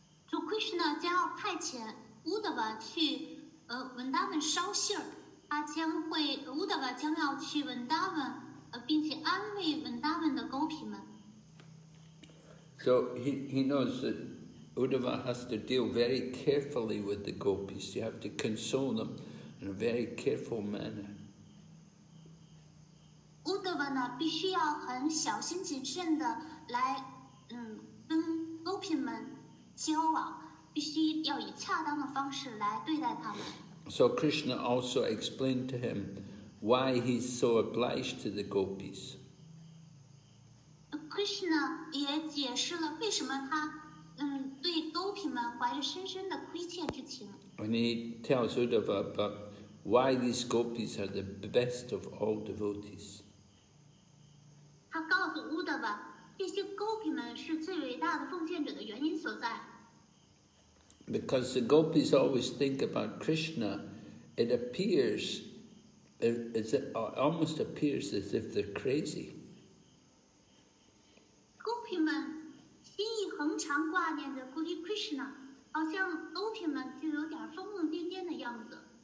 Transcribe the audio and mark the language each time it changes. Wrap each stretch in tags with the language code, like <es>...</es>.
<zh>So Krishna 将要派遣 Uddhava 去Vrindavan 捎信儿，他将会 Uddhava 将要去 Vrindavan 并且安慰 Vrindavan 的 gopis 们。</zh> <en>So he knows that Uddhava has to deal very carefully with the gopis. You have to console them in a very careful manner.</en> <zh>Uddhava 呢，必须要很小心谨慎的来，跟勾品们交往，必须要以恰当的方式来对待他们。</zh> <en>So Krishna also explained to him why he's so obliged to the gopis.</en> <zh>Krishna 也解释了为什么他，对勾品们怀着深深的亏欠之情。</zh> <en>And he tells Uddhava about why these gopis are the best of all devotees.</en> <zh>他告诉乌德瓦，这些勾品们是最伟大的奉献者的原因所在。</zh> <en>Because the gopis always think about Krishna, it appears, it almost appears as if they're crazy.</en> <zh>勾品们心意恒常挂念着关于 Krishna, 好像勾品们就有点疯疯癫癫的样子。</zh>